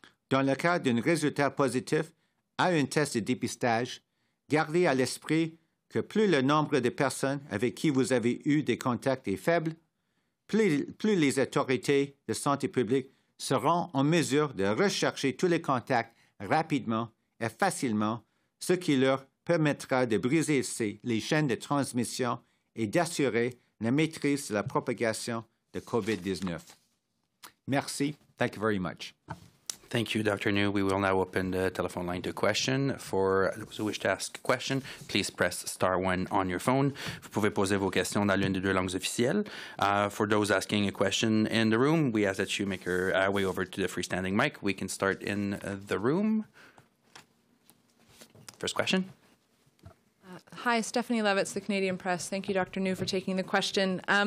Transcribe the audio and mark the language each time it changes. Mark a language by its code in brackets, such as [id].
[fr] Dans le cas d'un résultat positif à un test de dépistage, gardez à l'esprit que plus le nombre de personnes avec qui vous avez eu des contacts est faible, plus les autorités de santé publique seront en mesure de rechercher tous les contacts rapidement et facilement, ce qui leur permettra de briser les chaînes de transmission et d'assurer la maîtrise de la propagation de COVID-19. Merci. [en] Thank you very much. Thank you, Dr. Njoo. We will now open the telephone line to question. For those who wish to ask a question, please press star 1 on your phone. [fr] Vous pouvez poser vos questions dans l'une des deux langues officielles. [en] For those asking a question in the room, we ask that you make your way over to the freestanding mic. We can start in the room. First question. Hi, Stephanie Levitz, the Canadian Press. Thank you, Dr. Njoo, for taking the question.